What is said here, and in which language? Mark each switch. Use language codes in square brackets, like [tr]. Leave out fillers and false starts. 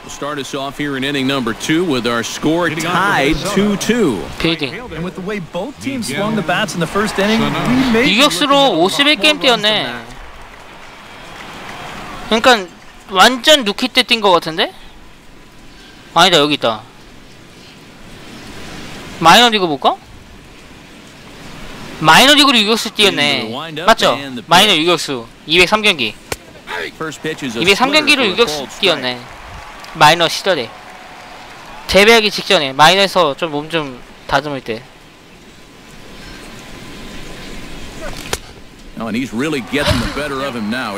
[en] We'll start us off here in inning number two with our score tied 2-2. [ko] 필딩. [en] And with the way both teams swung the bats in the first inning, we made [ko] 유격수로 51게임 뛰었네. 그러니까 완전 루키 때 뛴 것 같은데? 아니다 여기 있다. 마이너리그 볼까? 마이너리그로 유격수 뛰었네. 맞죠? 마이너 유격수 203경기. 203경기를 유격수 뛰었네. 마이너 시절에 데뷔하기 직전에 마이너에서 좀 몸 좀 다듬을 때. [en] Oh, and he's really getting the better of him now.